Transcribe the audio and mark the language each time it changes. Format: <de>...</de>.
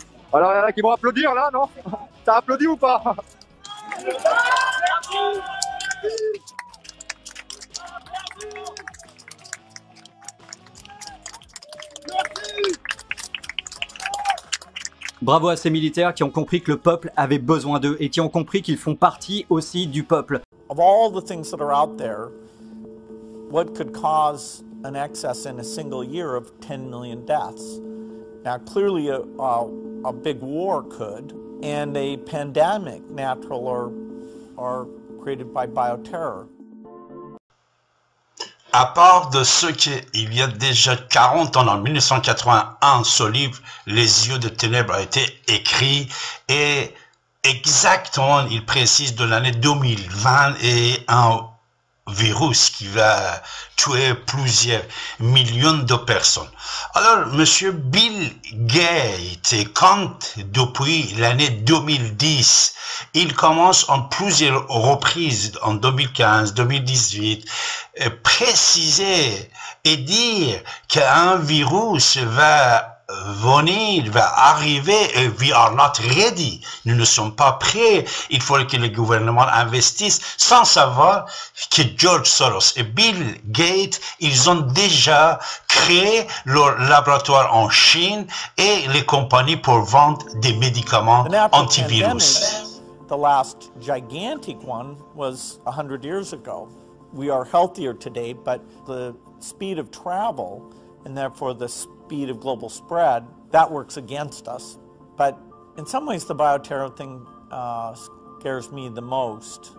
<fr>Alors, il y en a qui vont applaudir là, non ? T'as applaudi ou pas ? Bravo à ces militaires qui ont compris que le peuple avait besoin d'eux et qui ont compris qu'ils font partie aussi du peuple.</fr> <en>Of all the things that are out there, what could cause an excess in a single year of 10 million deaths? Now, clearly a big war could, and a pandemic, natural or created by bioterror.</en> <fr>À part de ce qu'il y a déjà 40 ans, en 1981, ce livre, Les yeux des ténèbres, a été écrit, et exactement, il précise, de l'année 2020 et un virus qui va tuer plusieurs millions de personnes. Alors, monsieur Bill Gates, quand depuis l'année 2010, il commence en plusieurs reprises, en 2015, 2018, préciser et dire qu'un virus va venir, va arriver, et</fr> <en>we are not ready.</en> <fr>Nous ne sommes pas prêts. Il faut que le gouvernement investisse sans savoir que George Soros et Bill Gates, ils ont déjà créé leur laboratoire en Chine et les compagnies pour vendre des médicaments antivirus.</fr> <en>The last gigantic one was 100 years ago. We are healthier today, but the speed of travel and therefore the speed of global spread, that works against us. But in some ways, the bioterror thing scares me the most.</en>